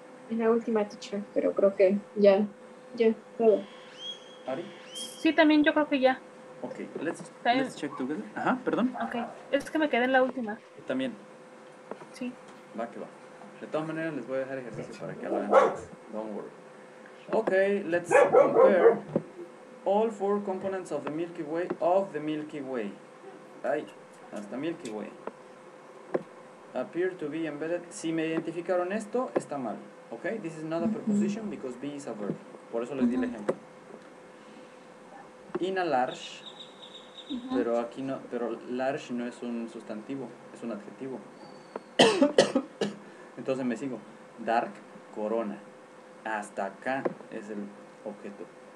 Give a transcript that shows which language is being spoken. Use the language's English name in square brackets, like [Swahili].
[Spanish] En la última, teacher, pero creo que ya, todo. ¿Ari? Sí, también, yo creo que ya. [English] Ok, let's check together. [Spanish] Ajá, perdón. Ok, es que me quedé en la última. ¿También? Sí. Va que va. De todas maneras, les voy a dejar ejercicio para que hagan. [English] Don't worry. Ok, let's compare all four components of the Milky Way. [Spanish] Ay, hasta [English] Milky Way. Appear to be embedded. [Spanish] Si me identificaron esto, está mal. [English] Okay, this is not a preposition because B is a verb. [Spanish] Por eso les di el ejemplo. [English] In a large, [Spanish] pero aquí no, pero large no es un sustantivo, es un adjetivo. Entonces me sigo. Dark, corona. Hasta acá es el objeto.